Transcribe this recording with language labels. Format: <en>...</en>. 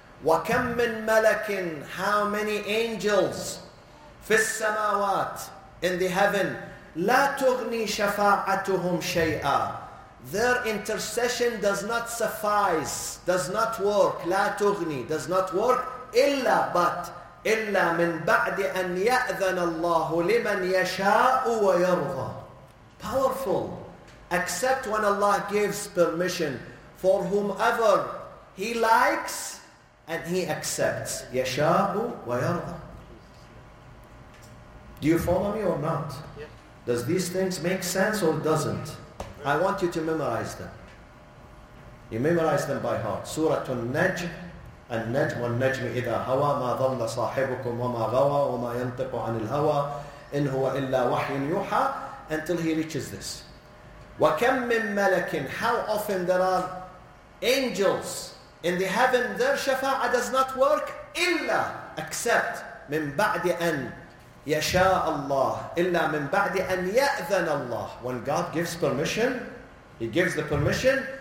<ar>وَكَمْ مِنْ مَلَكٍ</ar> <en>How many angels</en> <ar>فِي السَّمَوَاتِ</ar> <en>In the heaven.</en> <ar>لَا تُغْنِي شَفَاعَتُهُمْ شَيْئًا</ar> <en>Their intercession does not suffice, does not work.</en> <ar>لا تغني,</ar> <en>does not work.</en> <ar>إلا but, إلا من بعد أن يأذن الله لمن يشاء ويرضى.</ar> <en>Powerful. Except when Allah gives permission for whomever He likes and He accepts.</en> <ar>يشاء ويرضى.</ar> <en>Do you follow me or not? Does these things make sense or doesn't? I want you to memorize them. You memorize them by heart.</en> <ar>Surah An-Najm, An-Najm, An-Najm, إِذَا هَوَى مَا ظَلَّ صَاحِبُكُمْ وَمَا غَوَى وَمَا يَنْطِقُ عَنِ الْهَوَى إِنْ هُوَ إِلَّا وَحْيٌ يُوحَى</ar> <en>Until he reaches this.</en> <ar>وَكَمْ مِنْ مَلَكٍ</ar> <en>How often there are angels in the heaven, their shafa'a does not work, إِلَّا except</en> <ar>مِنْ بَعْدِ أَنْ يَشَاء اللَّهُ إِلَّا مِنْ بَعْدِ أَنْ يَأْذَنَ اللَّهُ</ar> <en>When God gives permission, He gives the permission.</en>